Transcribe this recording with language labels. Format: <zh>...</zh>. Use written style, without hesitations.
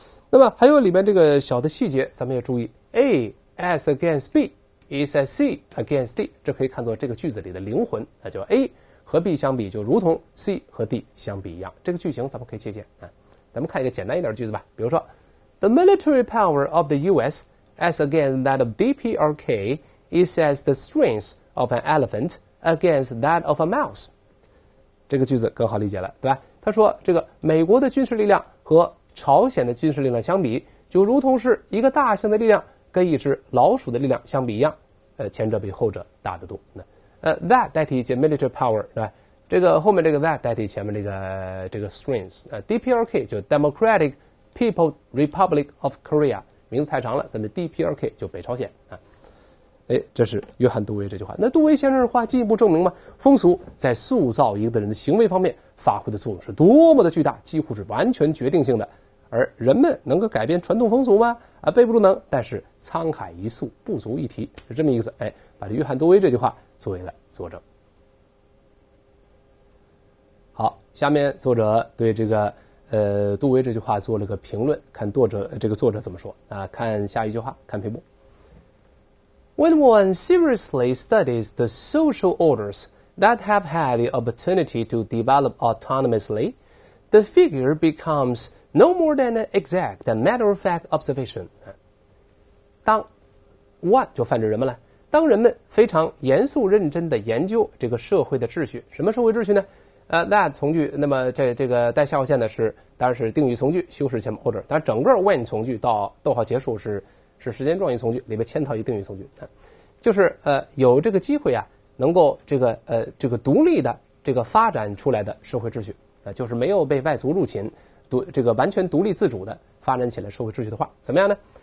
<zh>那么还有里面这个小的细节，咱们要注意 ：</zh> <en>A as against B is as C against D，</en> <zh>这可以看作这个句子里的灵魂。那就 A 和 B 相比，就如同 C 和 D 相比一样。这个句型咱们可以借鉴啊。</zh> <en>咱们看一个简单一点的句子吧，比如说 ：The military power of the U.S. As against that of DPRK, is as the strength of an elephant against that of a mouse.</en> <zh>这个句子更好理解了，对吧？他说，这个美国的军事力量和朝鲜的军事力量相比，就如同是一个大象的力量跟一只老鼠的力量相比一样，前者比后者大得多。 That 代替一些 military power, 对吧？这个后面这个 that 代替前面这个 strength, DPRK 就 Democratic People's Republic of Korea。名字太长了，咱们 DPRK 就北朝鲜啊。哎，这是约翰·杜威这句话。那杜威先生的话进一步证明吗？风俗在塑造一个人的行为方面发挥的作用是多么的巨大，几乎是完全决定性的。而人们能够改变传统风俗吗？啊，背不住能，但是沧海一粟，不足一提，是这么意思。哎，把这约翰·杜威这句话作为了佐证。好，下面作者对这个杜威这句话做了个评论，看作者怎么说啊？看下一句话，看屏幕。</zh> <en>When one seriously studies the social orders that have had the opportunity to develop autonomously, the figure becomes no more than an exact matter-of-fact observation.</en> <zh>当 what 就泛指人们了。当人们非常严肃认真地研究这个社会的秩序，什么社会秩序呢？ that 从句，那么这个带下划线的是，当然是定语从句，修饰前 order， 但整个 when 从句到逗号结束是时间状语从句，里面嵌套一个定语从句，就是有这个机会啊，能够这个独立的这个发展出来的社会秩序啊，就是没有被外族入侵，这个完全独立自主的发展起来社会秩序的话，怎么样呢？</zh>